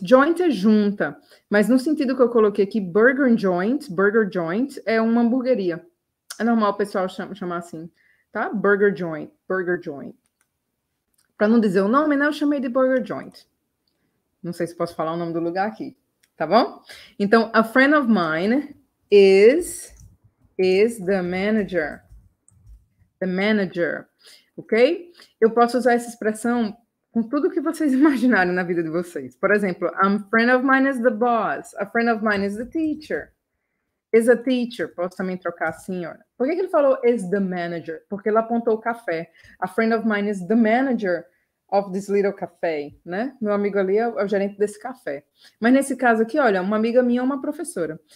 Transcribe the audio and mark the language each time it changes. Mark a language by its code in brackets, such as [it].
[pt] Joint é junta, mas no sentido que eu coloquei aqui, burger joint é uma hamburgueria. É normal o pessoal chamar assim, tá? Burger joint, burger joint. Para não dizer o nome, né? Eu chamei de Burger Joint. Não sei se posso falar o nome do lugar aqui. Tá bom? [en] Então, a friend of mine is the manager. The manager. Ok? [pt] Eu posso usar essa expressão com tudo que vocês imaginarem na vida de vocês. Por exemplo, [en] a friend of mine is the boss. A friend of mine is the teacher. Is a teacher. [pt] Posso também trocar assim, olha. Por que ele falou [en] is the manager? [pt] Porque ele apontou o café. [en] A friend of mine is the manager of this little café, né? [pt] Meu amigo ali é o gerente desse café. Mas nesse caso aqui, olha, uma amiga minha é uma professora.